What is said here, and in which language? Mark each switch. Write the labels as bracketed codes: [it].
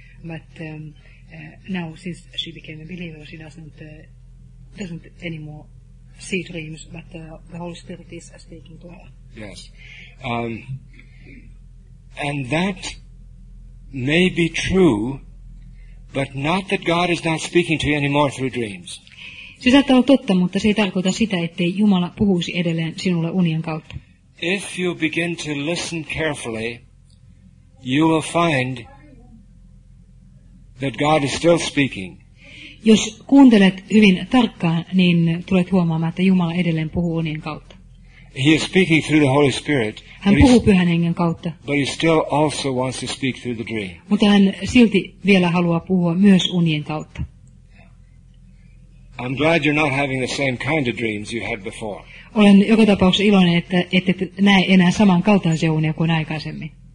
[en] But now, since she became a believer, she doesn't anymore see dreams, but the Holy Spirit is speaking to her. Yes. And that may be true, but not that God is not speaking to you anymore through dreams. [fi] Se saattaa olla totta, mutta se ei tarkoita sitä, ettei Jumala puhuisi edelleen sinulle unien kautta. [en] If you begin to listen carefully, you will find that God is still speaking. [fi] Jos kuuntelet hyvin tarkkaan, niin tulet huomaamaan, että Jumala edelleen puhuu unien kautta. [en] He is speaking through the Holy Spirit. [fi] Hän puhuu Pyhän Hengen kautta. [en] But he still also wants to speak through the dream. [fi] Mutta hän silti vielä haluaa puhua myös unien kautta. [en] I'm glad you're not having the same kind of dreams you had before. [fi] Olen joka tapauksessa iloinen, että ette näe enää samankaltaisia unia kuin aikaisemmin.